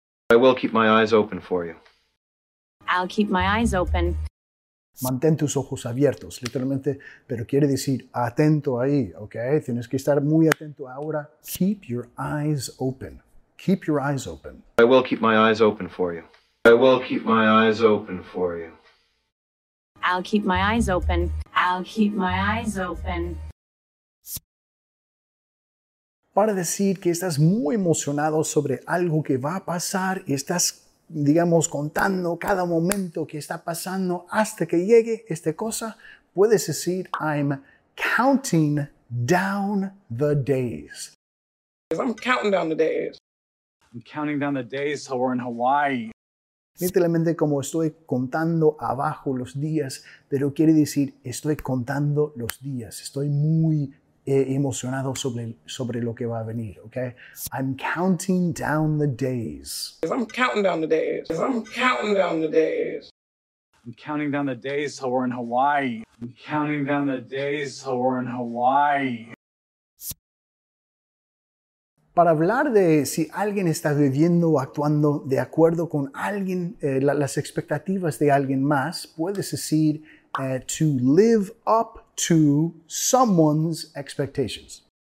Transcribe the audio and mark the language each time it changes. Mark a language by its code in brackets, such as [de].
[en] I will keep my eyes open for you. I'll keep my eyes open. [es] Mantén tus ojos abiertos, literalmente, pero quiere decir atento ahí, ¿ok? Tienes que estar muy atento ahora. [en] Keep your eyes open. Keep your eyes open. I will keep my eyes open for you. I will keep my eyes open for you. I'll keep my eyes open. I'll keep my eyes open. [es] Para decir que estás muy emocionado sobre algo que va a pasar y estás, digamos, contando cada momento que está pasando hasta que llegue esta cosa, puedes decir, [en] I'm counting down the days. I'm counting down the days. I'm counting down the days till we're in Hawaii. [es] Literalmente como estoy contando abajo los días, pero quiere decir, estoy contando los días. Estoy muy emocionado sobre lo que va a venir, okay? [en] I'm counting down the days. I'm counting down the days. I'm counting down the days. I'm counting down the days till we're in Hawaii. I'm counting down the days till we're in Hawaii. [es] Para hablar de si alguien está viviendo o actuando de acuerdo con alguien, las expectativas de alguien más, puedes decir [en] to live up to someone's expectations.